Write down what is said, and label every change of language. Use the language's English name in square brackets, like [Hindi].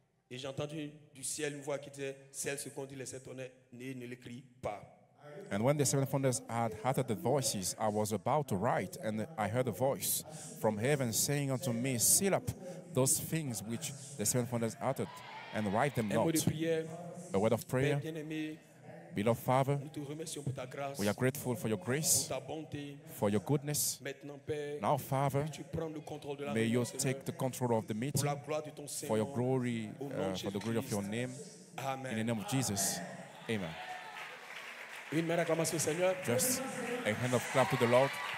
[French] Et j'ai entendu du ciel une voix qui disait, celle ce qu'on dit les sept tonnerres, ne les crie pas. [English] And when the seven thunders had uttered the voices, I was about to write, and I heard a voice from heaven saying unto me, seal up those things which the seven thunders uttered, and write them not. [French] Un mot de prière, [English] a word of prayer. [French] Père bien-aimé, [English] beloved Father, [French] nous te remercions pour ta grâce, [English] we are grateful for your grace, [French] pour ta bonté, [English] for your goodness. [French] Maintenant, Père, [English] now, Father, [French] tu prends le contrôle de la [English] may you take the control of the meeting [French] pour la gloire de ton Seigneur, [English] for your glory, [French] au nom [English] for the glory [French] Christ. [English] Of your name. Amen. In the name of Jesus. Amen. [French] Une main d'acclamation au Seigneur. [English] Just a hand of clap to the Lord.